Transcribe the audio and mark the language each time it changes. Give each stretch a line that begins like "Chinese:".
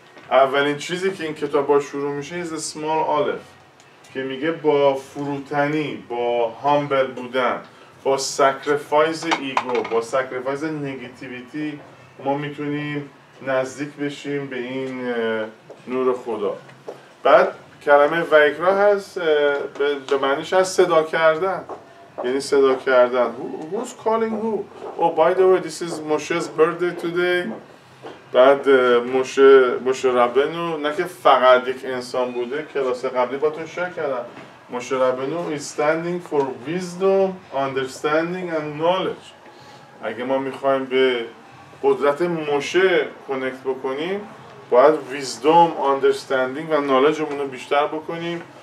Persian: اولین چیزی که این کتاب با شروع میشه
English: is a small aleph،
Persian: که میگه با فروتنی، با humble بودن، با sacrifice ego، با sacrifice negativity، ما میتونیم نزدیک بشیم به این نور خدا. بعد کلمه ویکرا هست به معنیش هست صدا کردن، یعنی صدا کردن.
English: Who's calling who؟ Oh by the way this is Moshe's birthday today.
Persian: بعد موشه رابنو، نه که فقط یک انسان بوده، کلاس قبلی با تون شیر کردم، موشه رابنو
English: is standing for wisdom، understanding and knowledge.
Persian: اگه ما میخوایم به قدرت موشه کنکت بکنیم، باید
English: wisdom، understanding
Persian: و knowledgeمونو بیشتر بکنیم.